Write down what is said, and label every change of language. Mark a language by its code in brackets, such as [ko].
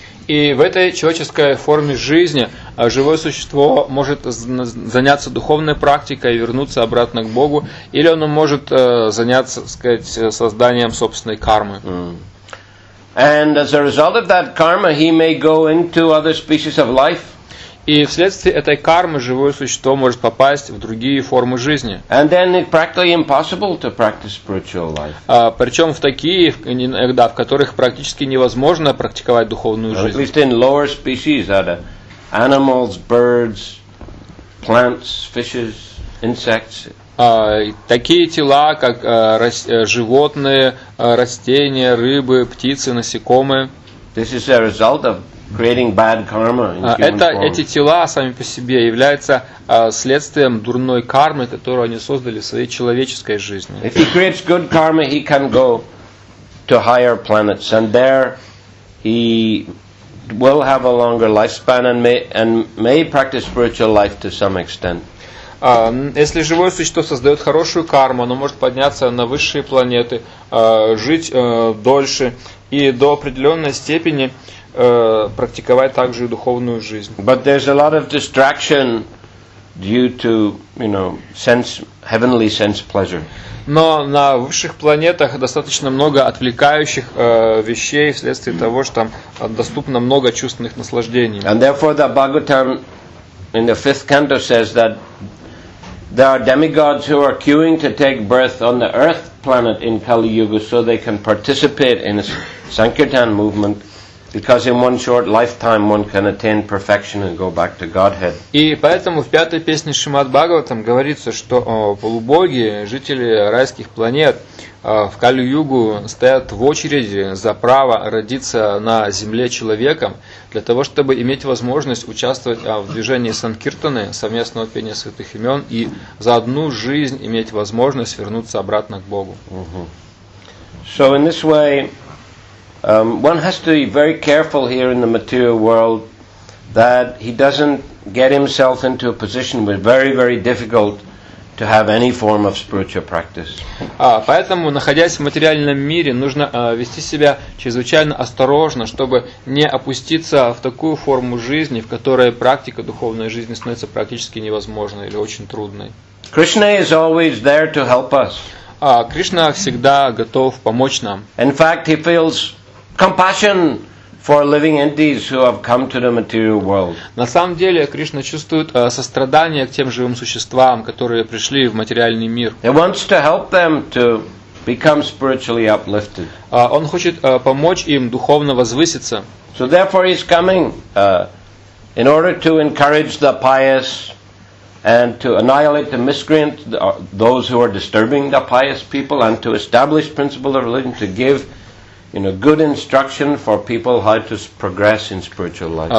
[ru] И в этой человеческой форме жизни живое существо может заняться духовной практикой и вернуться обратно к Богу, или оно может заняться, сказать, созданием собственной кармы. Mm. [en] And as a result of that karma, he may go into other species of life. [ru] И вследствие этой кармы живое существо может попасть в другие формы жизни. [en] And then it's practically impossible to practice spiritual life. [ru] Причем в такие, иногда, в которых практически невозможно практиковать духовную жизнь. [en] At least in lower species, that animals, birds, plants, fishes, insects. [ru] Такие тела, как животные, растения, рыбы, птицы, насекомые. [en] This is a result of creating bad karma in human form. [ru] Эти тела сами по себе являются следствием дурной кармы, которую они создали в своей человеческой жизни. [en] If he creates good karma, he can go to higher planets, and there he will have a longer lifespan and may practice spiritual life to some extent. [ru] Если живое существо создает хорошую карму, оно может подняться на высшие планеты, жить дольше и до определенной степени практиковать также и духовную жизнь. [en] But there's a lot of distraction due to, you know, heavenly sense pleasure. [ru] Но на высших планетах достаточно много отвлекающих вещей вследствие того, что там доступно много чувственных наслаждений. [en] And therefore the Bhagavatam in the fifth canto says that there are demigods who are queuing to take birth on the earth planet in Kali Yuga so they can participate in a Sankirtan movement. Because in one short lifetime one can attain perfection and go back to Godhead. [ru] И поэтому в пятой песне Шримад-Бхагаватам говорится, что полубоги, жители райских планет, в Кали-Югу стоят в очереди за право родиться на земле человеком, для того, чтобы иметь возможность участвовать в движении Санкиртаны, совместного пения святых имен, и за одну жизнь иметь возможность вернуться обратно к Богу. [en] So in this way, one has to be very careful here in the material world that he doesn't get himself into a position where it's very, very difficult to have any form of spiritual practice. [ru] Поэтому, находясь в материальном мире, нужно вести себя чрезвычайно осторожно, чтобы не опуститься в такую форму жизни, в которой практика духовной жизни становится практически невозможной или очень трудной. [en] Krishna is always there to help us. [ru] Кришна всегда готов помочь нам. [en] In fact, he feels compassion for living entities who have come to the material world. [ru] На самом деле Кришна чувствует сострадание к тем живым существам, которые пришли в материальный мир. [en] He wants to help them to become spiritually uplifted. [ru] Он хочет помочь им духовно возвыситься. [en] So therefore he's coming in order to encourage the pious and to annihilate the miscreants, those who are disturbing the pious people, and to establish principle of religion, to give, you know, good instruction for people how to progress in spiritual life.